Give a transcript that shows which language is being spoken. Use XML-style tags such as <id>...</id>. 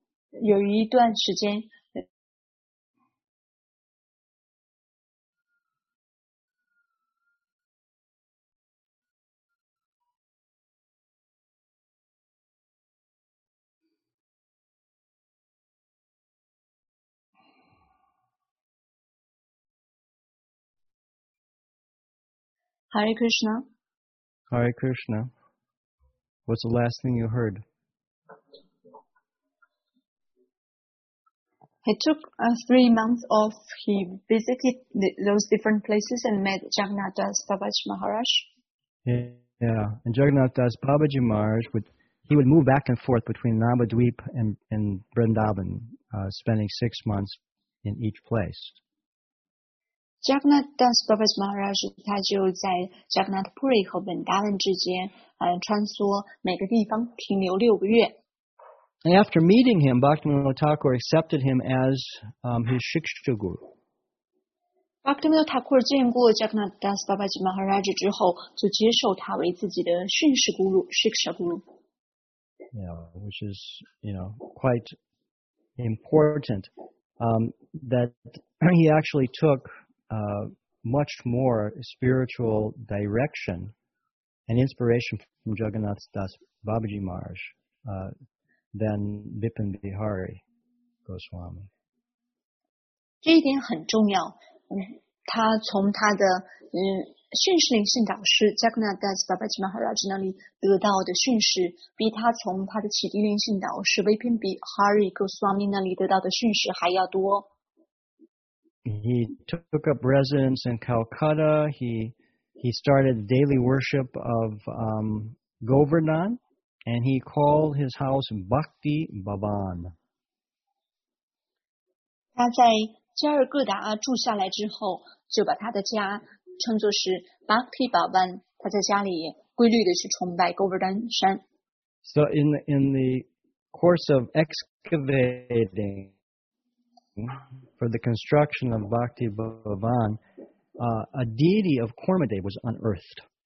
<zh>也在同一时期有一段时间 Hare Krishna.</zh> <en>Hare Krishna. What's the last thing you heard? He took 3 months off. He visited those different places and met Jagannath Das Babaji Maharaj. Yeah. And Jagannath Das Babaji Maharaj, he would move back and forth between Navadvipa and Vrindavan, spending 6 months in each place.</en> <zh>Jagannath Das Babas Maharaj 他就在 Jagannath Puri 和 Vrindavan 之间、穿梭每个地方停留六个月。</zh> <en>And after meeting him, Bhaktivinoda Thakur accepted him as his Shiksha Guru.</en> <zh>Bhaktivinoda Thakur 见过 Jagannath Das Babas Maharaj 之后就接受他为自己的训士咕噜 Shiksha Guru.</zh> <en>Yeah, which is, you know, quite important that he actually took much more spiritual direction and inspiration from Jagannath Das Babaji Maharaj than Bipin Bihari Goswami.</en> <zh>这一点很重要。他从他的训士灵性导师 Jagannath Das Babaji Maharaj 那里得到的训士，比他从他的启迪灵性导师 Bipin Bihari Goswami 那里得到的训士还要多。</zh> <en>He took up residence in Calcutta. He started daily worship of Govardhan, and he called his house Bhakti Bhavan.</en> <zh>他在加尔各答住下来之后，就把他的家称作是 Bhakti Bhavan. 他在家里规律的去崇拜 Govardhan 山。</zh> <en>So in the course of excavating. For the construction of Bhakti Bhavan, a deity of Kormadev was unearthed.</en>